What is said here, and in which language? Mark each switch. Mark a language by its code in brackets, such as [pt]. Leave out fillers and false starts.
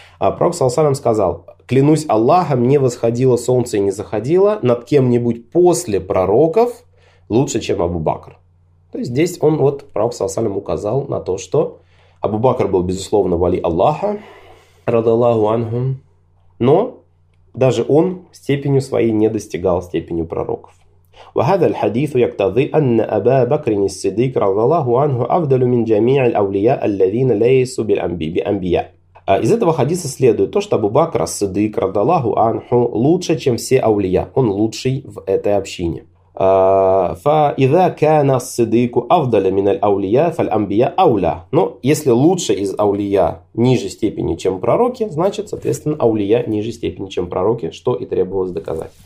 [ru] Пророк саллаллаху алейхи вассалям сказал: «Клянусь Аллахом, не восходило солнце и не заходило над кем-нибудь после пророков лучше, чем Абу Бакр». То есть здесь он, вот пророк саллаллаху указал на то, что Абу Бакр был, безусловно, вали Аллаха, радиаллаху анху, но даже он степенью своей не достигал степенью пророков. [ar] وهذا الحديث يقتضي أن أبا بكر الصديق رضي الله عنه أفضل من جميع الأولياء الذين ليسوا بالأنبياء. [ru] Из этого хадиса следует то, что Абу Бакр ас-Сиддик радиаллаху анху лучше, чем все аулия. Он лучший в этой общине. [ar] Фа иза кана ас-Сиддику афдаля мин аль-аулия, фаль-анбия ауля. [ru] Но если лучше из аулия ниже степени, чем пророки, значит, соответственно, аулия ниже степени, чем пророки, что и требовалось доказать.